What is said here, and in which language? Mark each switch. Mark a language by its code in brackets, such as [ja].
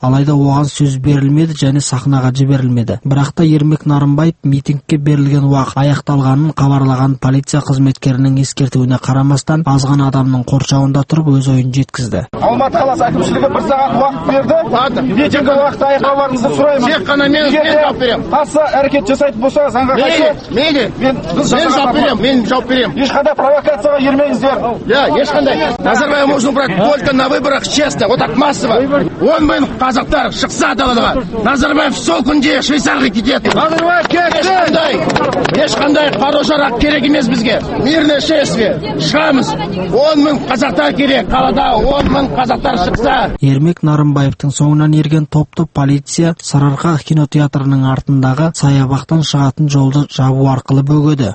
[kk] Алайда оған сөз берілмеді және сахнаға жіберілмеді. Бірақ та Ермек Нарымбаев митингке берілген уақыт аяқталғанын хабарлаған полиция қызметкерінің ескертуіне қарамастан азған адамның қоршауында тұрып өз ойын жеткізді. Алматы қаласы әкімшілігі бір сағат уақыт берді. Митинг уақыты аяқталғанымызды сұраймын. Тек қана мен жауап беремін. Қаса әрекет жасайтын болса заңға қайшы. Мен жауап беремін. Ешқандай провокацияға ермеңіздер. Да, ешқандай. [ru] Назарбаев нужно брать только на выборах честно, вот так массово. [kk] 10 мың қазақтар шықса далаға. Назарбаев сол күнде Швейцарға кетеді. Назарбаев кетеді. Ешқандай қару-жарақ керек емес бізге. [ru] Мирное шествие. [kk] Шығамыз. 10 мың қазақтар керек. Қалада 10 мың қазақтар шықса. Ермек Нарымбаевтың соңынан ерген топты полиция Сарыарқа кинотеатрының артындағы саябақтан шығатын жолды жабу арқылы бөгеді.